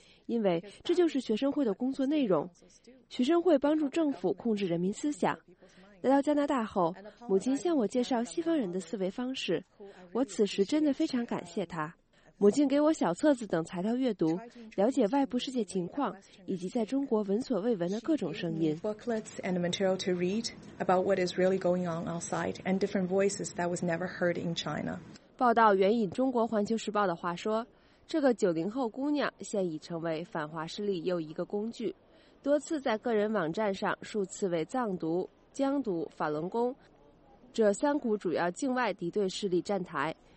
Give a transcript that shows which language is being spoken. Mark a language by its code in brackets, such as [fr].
[zh] 因为这就是学生会的工作内容。学生会帮助政府控制人民思想。来到加拿大后，母亲向我介绍西方人的思维方式，我此时真的非常感谢她。母亲给我小册子等材料阅读，了解外部世界情况，以及在中国闻所未闻的各种声音。 [en] Booklets and material to read about what is really going on outside and different voices that was never heard in China. [zh] 报道援引中国环球时报的话说，这个90后姑娘现已成为反华势力又一个工具，多次在个人网站上数次为藏独、疆独、法轮功这三股主要境外敌对势力站台。